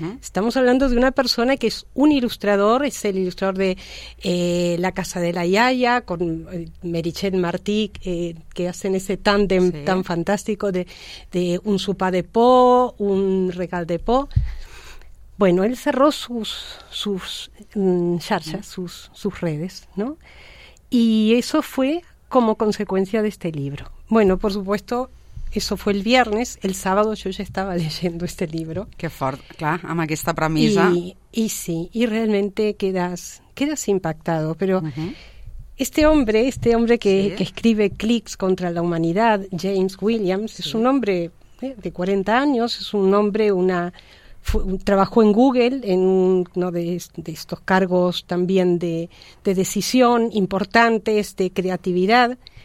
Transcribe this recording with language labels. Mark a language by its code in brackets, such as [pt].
[es] Estamos hablando de una persona que es un ilustrador, es el ilustrador de La Casa de la Yaya, con Meritxell Martí, que hacen ese tándem tan fantástico de un Supa de Po, un Regal de Po. Bueno, él cerró sus charchas, sus redes, ¿no? Y eso fue como consecuencia de este libro. Bueno, por supuesto, eso fue el viernes, el sábado yo ya estaba leyendo este libro. [ca] Qué fort, claro, amb aquesta premisa. [es] Y sí, y realmente quedas impactado, pero este hombre que escribe Clics contra la humanidad, James Williams, es un hombre de 40 años, es un hombre, trabajó en Google, en uno de estos cargos también de decisión importantes, de creatividad.